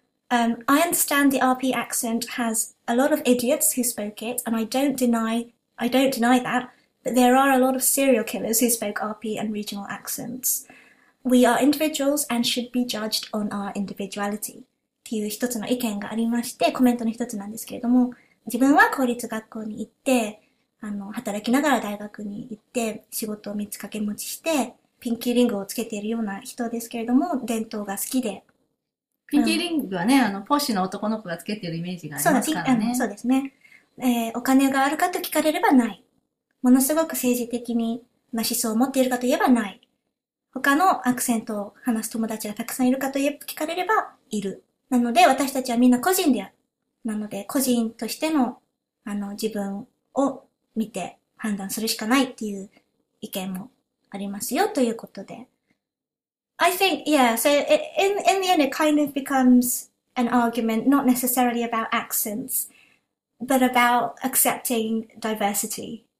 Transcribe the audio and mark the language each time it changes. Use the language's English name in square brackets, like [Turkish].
[English] I understand the RP accent has a lot of idiots who spoke it, and I don't deny that, but there are a lot of serial killers who spoke RP and regional accents. We are individuals and should be judged on our individuality. [Japanese] っていう一つの意見がありまして、コメントの一つなんですけれども、自分は公立学校に行って、働きながら大学に行って、仕事を三つ掛け持ちして、ピンキーリングをつけているような人ですけれども、伝統が好きで。ピンキーリングはね、ポッシュの男の子がつけているイメージがありますからね。そうですね。お金があるかと聞かれればない。ものすごく政治的な思想を持っているかといえばない。他のアクセントを話す友達がたくさんいるかといえば聞かれればいる。なので、私たちはみんな個人である。なので、個人としての、自分を見て判断するしかないっていう意見もありますよ、ということで。 [English] I think, yeah, so in the end, it kind of becomes an argument, not necessarily about accents, but about accepting diversity.